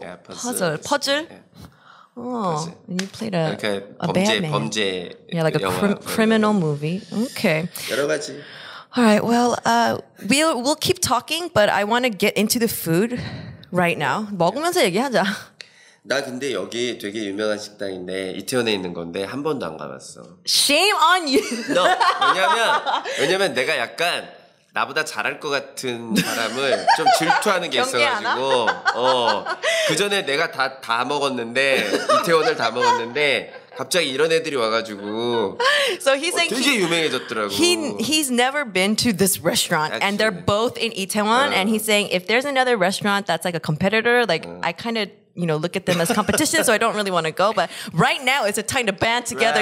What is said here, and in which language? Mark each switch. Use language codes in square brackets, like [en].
[en] Yeah, puzzle. Puzzle. Puzzle. Oh, and you played a bad man. [ko] 범죄 [en] yeah, like a criminal movie. Okay. [ko] 여러 가지. [en] All right, well, we'll keep talking, but I want to get into the food right now. [ko] 먹으면서 얘기하자. 나 근데 여기 되게 유명한 식당인데 이태원에 있는 건데 한 번도 안 가봤어. [en] Shame on you. No, [ko] 왜냐면 내가 약간 나보다 잘할 것 같은 사람을 좀 질투하는 게 있어가지고 그전에 내가 다 먹었는데 이태원을 다 먹었는데 갑자기 이런 애들이 와가지고 [en] so he's saying [ko] 되게 유명해졌더라고. [en] He's never been to this restaurant And they're both in Itaewon and he's saying if there's another restaurant that's like a competitor like I kind of you know look at them as competition so I don't really want to go but right now it's a time to band together